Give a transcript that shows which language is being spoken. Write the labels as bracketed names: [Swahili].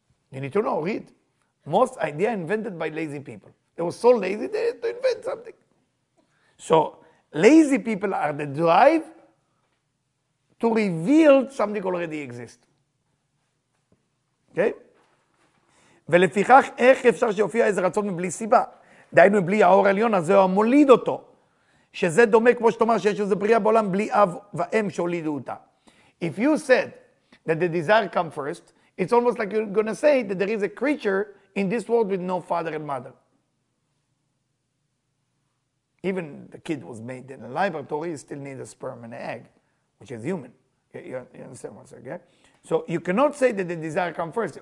[English] You need to know, read. Most idea invented by lazy people. They were so lazy they had to invent something. So lazy people are the drive to reveal something already exists. Okay? [Hebrew] ולפיכך איך אפשר שיופיע איזה רצון מבלי סיבה? דיינו בלי האור העליון, אז זהו המוליד אותו. שזה דומה כמו שתאמר שיש איזה בריאה בעולם בלי אב ואם שהולידו אותה. [English] If you said that the desire come first, it's almost like you're going to say that there is a creature in this world with no father and mother. Even the kid was made in a laboratory, you still need a sperm and an egg, which is human. You understand what I'm saying? Okay? So you cannot say that the desire comes first.